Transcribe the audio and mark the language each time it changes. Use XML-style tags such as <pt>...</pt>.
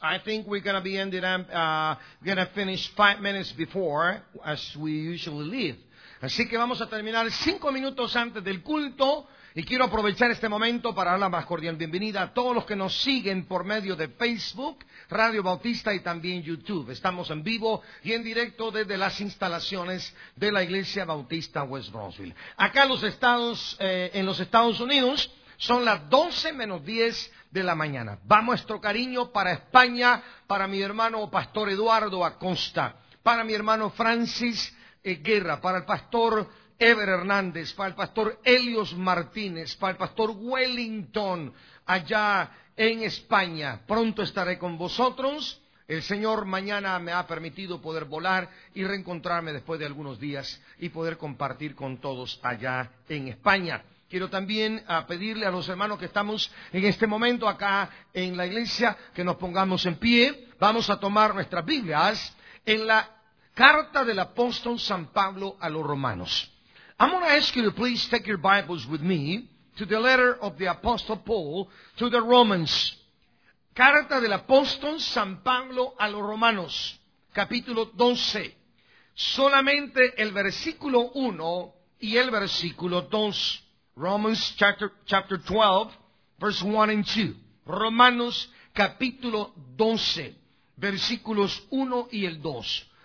<en>I think we're going to be ending up, going to finish 5 minutes before as we usually leave.</en> <es>Así que vamos a terminar 5 minutos antes del culto. Y quiero aprovechar este momento para dar la más cordial bienvenida a todos los que nos siguen por medio de Facebook, Radio Bautista y también YouTube. Estamos en vivo y en directo desde las instalaciones de la Iglesia Bautista West Brownsville. Acá en los Estados Unidos son las 12:10 de la mañana. Va nuestro cariño para España, para mi hermano Pastor Eduardo Acosta, para mi hermano Francis Guerra, para el Pastor Ever Hernández, para el Pastor Helios Martínez, para el Pastor Wellington, allá en España. Pronto estaré con vosotros. El Señor mañana me ha permitido poder volar y reencontrarme después de algunos días y poder compartir con todos allá en España. Quiero también pedirle a los hermanos que estamos en este momento acá en la iglesia que nos pongamos en pie. Vamos a tomar nuestras Biblias en la carta del apóstol San Pablo a los Romanos.</es> <en>I'm going to ask you to please take your Bibles with me to the letter of the Apostle Paul to the Romans.</en> <es>Carta del apóstol San Pablo a los Romanos, capítulo 12. Solamente el versículo 1 y el versículo 2.</es> <en>Romans chapter 12, verse 1 and 2.</en> <es>Romanos capítulo 12, versículos 1 y el 2.</es>